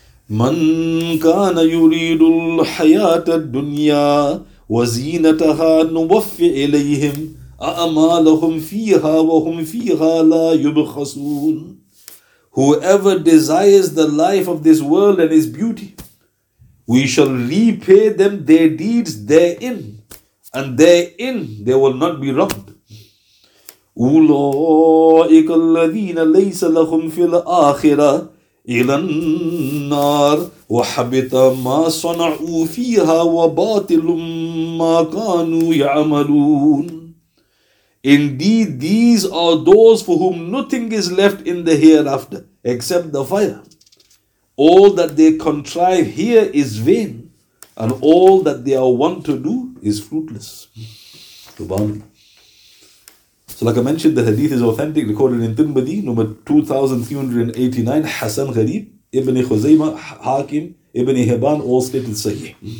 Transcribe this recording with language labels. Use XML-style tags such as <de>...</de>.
<ar>من كان يريد الحياة الدنيا وزينتها نوف إليهم أعمالهم فيها وهم فيها لا يبخسون.</ar> <en>Whoever desires the life of this world and its beauty, we shall repay them their deeds therein, and therein they will not be wronged.</en> <ar>أولئك الذين ليس لهم في الآخرة إِلَّا النَّارُ وَحَبِطَ مَا صَنَعُوا فِيهَا وَبَاطِلٌ مَا كَانُوا يَعْمَلُونَ.</ar> <en>Indeed, these are those for whom nothing is left in the hereafter except the fire. All that they contrive here is vain, and all that they are wont to do is fruitless. So like I mentioned, the hadith is authentic, recorded in Tirmidhi, number 2389, Hasan Gharib, Ibn Khuzaymah, Hakim, Ibn Hibban, all stated Sahih.</en>